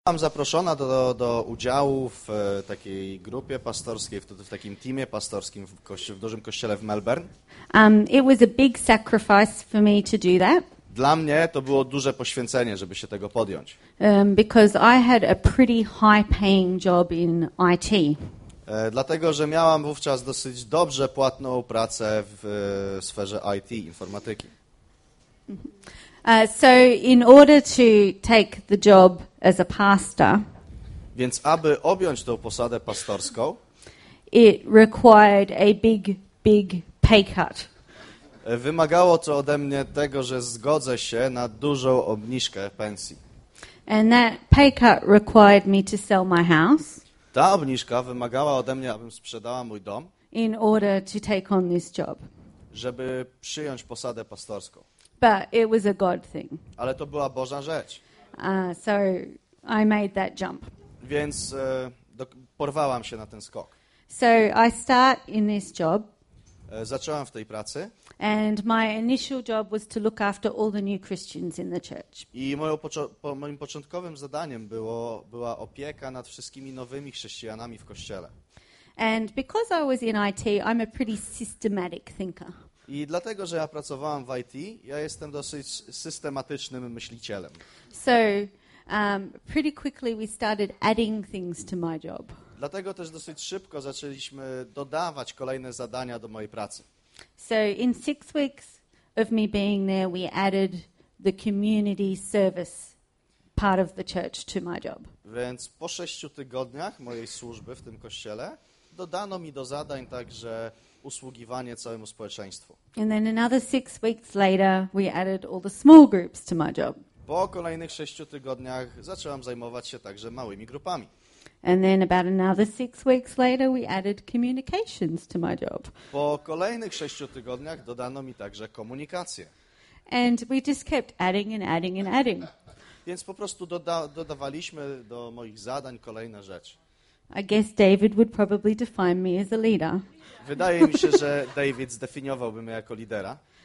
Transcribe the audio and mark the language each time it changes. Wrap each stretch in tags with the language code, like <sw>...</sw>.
<pl>Zostałam zaproszona do udziału w takiej grupie pastorskiej, w takim teamie pastorskim w dużym kościele w Melbourne.</pl> <en>It was a big sacrifice for me to do that.</en> <pl>Dla mnie to było duże poświęcenie, żeby się tego podjąć.</pl> <en>Because I had a pretty high-paying job in IT.</en> <pl>Dlatego, że miałam wówczas dosyć dobrze płatną pracę w sferze IT, informatyki.</pl> <en>So in order to take the job as a pastor,</en> <pl>więc aby objąć tą posadę pastorską,</pl> <en>it required a big, big pay cut.</en> <pl>Wymagało to ode mnie tego, że zgodzę się na dużą obniżkę pensji.</pl> <en>And that pay cut required me to sell my house.</en> <pl>Ta obniżka wymagała ode mnie, abym sprzedała mój dom,</pl> <en>in order to take on this job,</en> <pl>żeby przyjąć posadę pastorską.</pl> <en>But it was a God thing.</en> <pl>Ale to była Boża rzecz.</pl> <en>So I made that jump.</en> <pl>Więc porwałam się na ten skok.</pl> <en>So I start in this job.</en> <pl>Zaczęłam w tej pracy.</pl> <en>And my initial job was to look after all the new Christians in the church.</en> <pl>I moim początkowym zadaniem była opieka nad wszystkimi nowymi chrześcijanami w kościele.</pl> <en>And because I was in IT, I'm a pretty systematic thinker.</en> <pl>I dlatego, że ja pracowałam w IT, ja jestem dosyć systematycznym myślicielem.</pl> <en>So, pretty quickly we started adding things to my job.</en> <pl>Dlatego też dosyć szybko zaczęliśmy dodawać kolejne zadania do mojej pracy.</pl> <en>So in 6 weeks of me being there, we added the community service part of the church to my job.</en> <pl>Więc po 6 tygodniach mojej służby w tym kościele dodano mi do zadań także usługiwanie całemu społeczeństwu.</pl> <en>And then another 6 weeks later, we added all the small groups to my job.</en> <pl>Po kolejnych 6 tygodniach zaczęłam zajmować się także małymi grupami.</pl> <en>And then about another 6 weeks later, we added communications to my job.</en> <pl>Po kolejnych 6 tygodniach dodano mi także komunikację.</pl> <en>And we just kept adding and adding and adding.</en> <pl>Więc po prostu dodawaliśmy do moich zadań kolejne rzeczy.</pl> <en>I guess David would probably define me as a leader.</en> <pl>Wydaje mi się, że David zdefiniowałby mnie jako lidera.</pl>